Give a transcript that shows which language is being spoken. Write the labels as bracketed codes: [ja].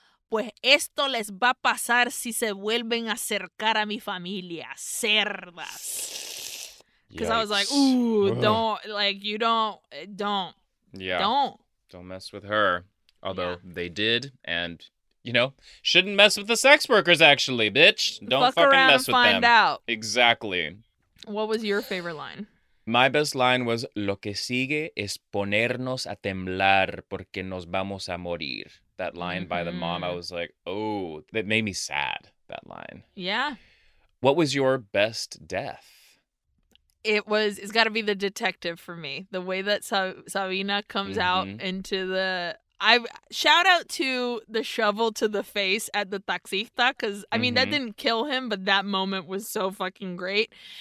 [es] Pues esto les va a pasar si se vuelven a acercar a mi familia, cerdas. [en] Because I was like, ooh, don't, like, you don't. Yeah. Don't mess with her. Although they did, and, you know, shouldn't mess with the sex workers, actually, bitch. Don't fucking mess with them. Fuck around and find out. Exactly. What was your favorite line? My best line was, [es] lo que sigue es ponernos a temblar porque nos vamos a morir. [en] That line by the mom, I was like, oh, that made me sad, that line. Yeah. What was your best death? It's got to be the detective for me. The way that Sabina comes out into the... Shout out to the shovel to the face at the taxista, because, I mean, that didn't kill him, but that moment was so fucking great.